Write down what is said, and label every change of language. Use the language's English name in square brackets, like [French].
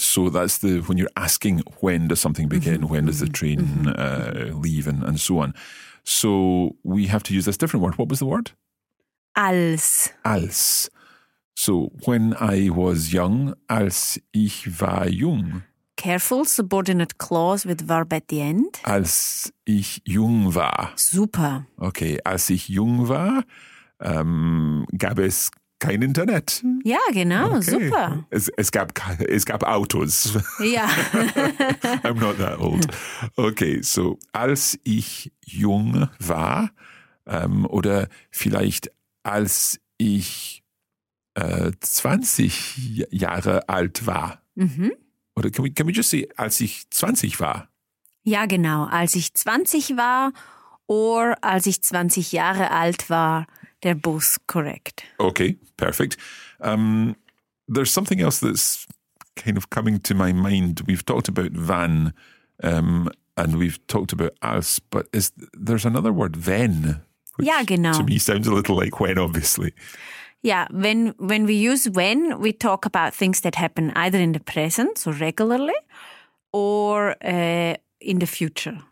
[English] So that's the, when you're asking when does something begin, mm-hmm, when does the train leave and so on. So we have to use this different word. What was the word? [German] Als. [English] Als. So, when I was young, [German] als ich war jung. [English] Careful, subordinate clause with verb at the end. [German] Als ich jung war. Super. Okay, als ich jung war, gab es kein Internet. Ja, genau, okay. Super. Es gab Autos. Ja. [English] I'm not that old. [German] Okay, so, als ich jung war, oder vielleicht als ich 20 Jahre alt war. Mhm. [English] Oder can we just say, [German] als ich 20 war? Ja, genau. Als ich 20 war or als ich 20 Jahre alt war, [English] they're both correct. Okay, perfect. There's something else that's kind of coming to my mind. We've talked about wann and we've talked about als, but there's another word, wenn. [German] Which ja, genau. [English] To me sounds a little like when, obviously. Yeah, when we use when, we talk about things that happen either in the present, so regularly, or in the future.